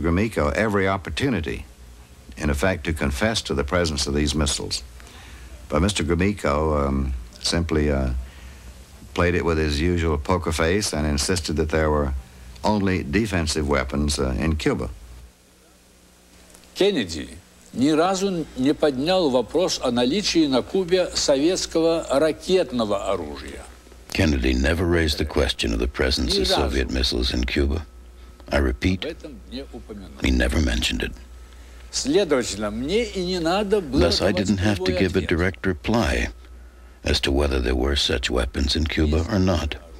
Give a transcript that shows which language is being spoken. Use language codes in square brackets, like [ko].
[en] Gromyko every opportunity, in effect, to confess to the presence of these missiles. But Mr. Gromyko simply played it with his usual poker face and insisted that there were only defensive weapons in Cuba. [ru] Kennedy ни разу не поднял вопрос о наличии на Кубе советского ракетного оружия. [en] Kennedy never raised the question of the presence of Soviet missiles in Cuba. I repeat, he never mentioned it. Thus, I didn't have to give a direct reply as to whether there were such weapons in Cuba or not.